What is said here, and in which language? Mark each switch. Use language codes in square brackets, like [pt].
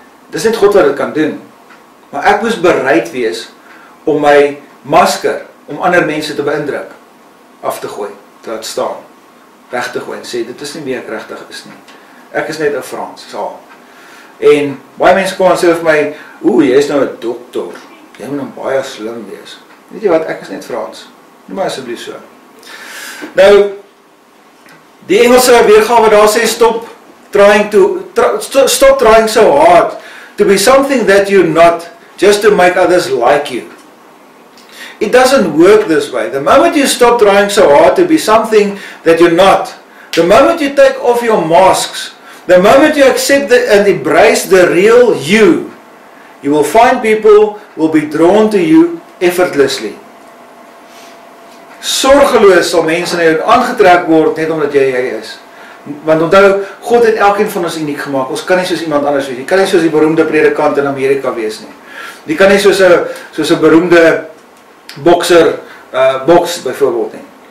[af] Dis net God wat dit kan doen. Maar ek moes bereid wees om my masker, om ander mense te beïndruk, af te gooi, te laat staan, weg te gooi en sê, dit is nie meer regtig is nie. Ek is net 'n Frans, saal. En baie mense kom en sê vir my, oeh, jy is nou 'n dokter, jy moet nou baie slim wees. Weet jy wat, ek is net Frans. Noem my asjeblief so. Nou, die Engelse weergawe daar sê, [en] stop trying so hard to be something that you're not, just to make others like you. It doesn't work this way. The moment you stop trying so hard to be something that you're not, the moment you take off your masks, the moment you accept and embrace the real you, you will find people will be drawn to you effortlessly. [af] Sorgeloos sal mense na jou aangetrek word net omdat jy jy is. Want onthou, God het elkeen van ons uniek gemaak. Ons kan nie soos iemand anders wees. Jy kan nie soos die beroemde predikant in Amerika wees nie. Jy kan nie soos een beroemde bokser, boks bijvoorbeeld nie.